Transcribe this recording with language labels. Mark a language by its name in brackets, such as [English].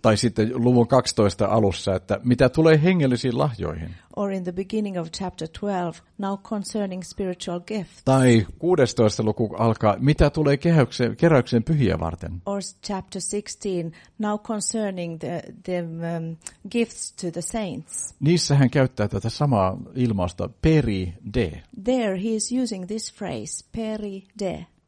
[Finnish] Tai sitten luvun 12 alussa, että mitä tulee hengellisiin lahjoihin. [English] Or in the beginning of chapter 12, now concerning spiritual gifts. [Finnish] Tai 16 luku alkaa, mitä tulee keräykseen pyhiä varten. [English] Or chapter 16, now concerning the gifts to the saints. [Finnish] Niissä hän käyttää tätä samaa ilmausta, peri de. [English] There he is using this phrase, peri de.